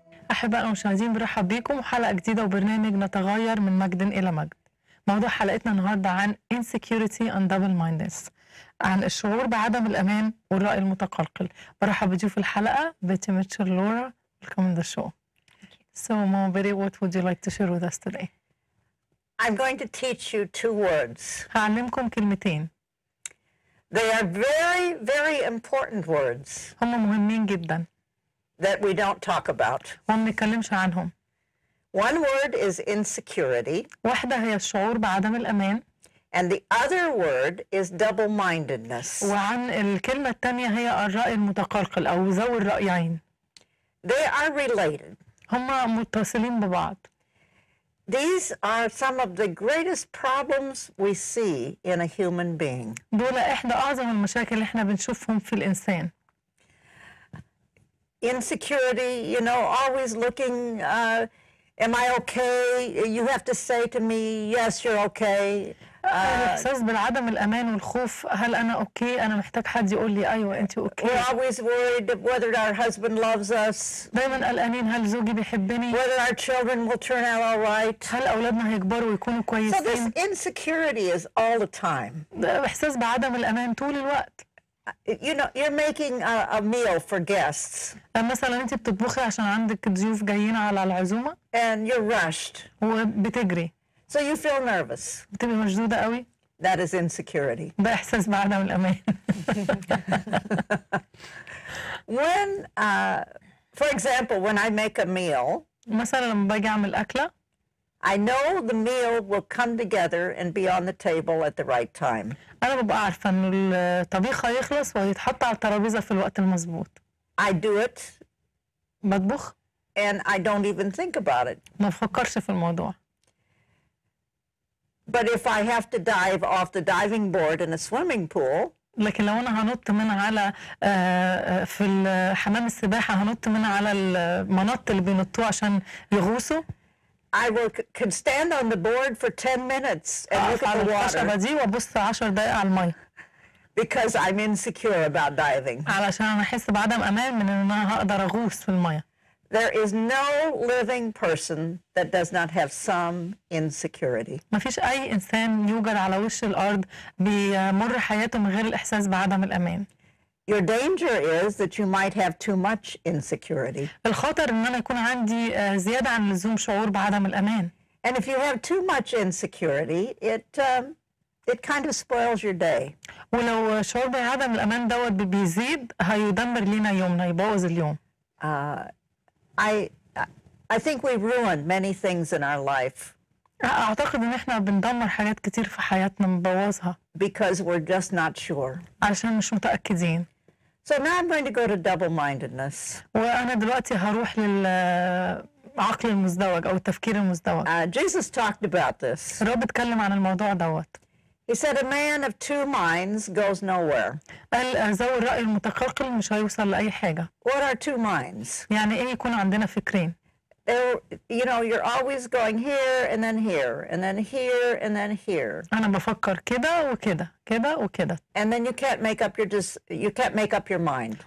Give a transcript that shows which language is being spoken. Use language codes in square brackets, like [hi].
[ar] أحبائنا المشاهدين، برحب بيكم وحلقة جديدة وبرنامج نتغير من مجد إلى مجد. موضوع حلقتنا النهاردة عن [en] insecurity and double mindedness، [ar] عن الشعور بعدم الأمان والرأي المتقلقل. برحب بضيوف الحلقة بيتي ميتشل لورا، [en] welcome to the show. So Mom Betty, what would you like to share with us today? I'm going to teach you two words. [ar] هعلمكم كلمتين. [en] They are very, very important words. [ar] هم مهمين جدا. [en] That we don't talk about. [ar] وما نتكلمش عنهم. [en] One word is insecurity. [ar] واحدة هي الشعور بعدم الأمان. [en] And the other word is double-mindedness. [ar] وعن الكلمة الثانية هي الرأي المتقلقل أو ذوي الرأيين. [en] They are related. [ar] هما متصلين ببعض. [en] These are some of the greatest problems we see in a human being. [ar] دول إحدى أعظم المشاكل اللي إحنا بنشوفهم في الإنسان. [en] Insecurity, you know, always looking, am I okay? You have to say to me, yes, you're okay. [ar] الإحساس بالعدم الأمان والخوف، هل أنا أوكي؟ أنا محتاج حد يقول لي أيوة أنت أوكي. [en] We're always worried whether our husband loves us. [ar] دايما قلقانين، هل زوجي بيحبني؟ [en] Whether our children will turn out all right. [ar] هل أولادنا هيكبروا ويكونوا كويسين؟ [en] So this insecurity is all the time. [ar] إحساس بعدم الأمان طول الوقت. [en] You know, you're making a meal for guests. [ar] مثلا انت بتطبخي عشان عندك ضيوف جايين على العزومة. [en] And you're rushed. [ar] وبتجري. [en] So you feel nervous. [ar] بتبقي مشدودة قوي. [en] That is insecurity. [ar] ده احساس بعدم الامان. [en] When, for example, when I make a meal. [ar] مثلا لما باجي اعمل اكلة. [en] I know the meal will come together and be on the table at the right time. [ar] أنا ببقى عارفة إن الطبيخ هيخلص وهيتحط على الترابيزة في الوقت المظبوط. [en] I do it. [ar] بطبخ. [en] And I don't even think about it. [ar] ما بفكرش في الموضوع. [en] But if I have to dive off the diving board in a swimming pool. [ar] لكن لو أنا هنط من على في حمام السباحة، هنط من على المنط اللي بينطوه عشان يغوصوا. [en] I will can stand on the board for 10 minutes and look at the water. [ar] عشان بدي وابص 10 دقايق على المية. [en] Because I'm insecure about diving. [ar] علشان انا احس بعدم امان من ان انا هقدر اغوص في المية. [en] There is no living person that does not have some insecurity. [ar] ما فيش اي انسان يوجد على وش الارض بيمر حياته من غير الاحساس بعدم الامان. [en] Your danger is that you might have too much insecurity. [ar] الخطر ان انا يكون عندي زيادة عن اللزوم شعور بعدم الامان. [en] And if you have too much insecurity, it kind of spoils your day. [ar] ولو شعور بعدم الامان دوت بيزيد، هيدمر لينا يومنا، يبوظ اليوم. [en] I think we ruin many things in our life. [ar] أعتقد إن إحنا بندمر حاجات كتير في حياتنا، مبوظها. [en] Because we're just not sure. [ar] عشان مش متأكدين. [en] So now I'm going to go to double-mindedness. [ar] وأنا دلوقتي هروح للعقل المزدوج أو التفكير المزدوج. [en] Jesus talked about this. [ar] الرب اتكلم عن الموضوع دوت. [en] He said a man of two minds goes nowhere. [ar] قال ذوي الرأي المتقلقل مش هيوصل لأي حاجة. [en] What are two minds? [ar] يعني إيه يكون عندنا فكرين؟ [en] You know, you're always going here and then here and then here and then here. [ar] أنا بفكر كده وكده كده وكده. [en] And then you can't make up your mind.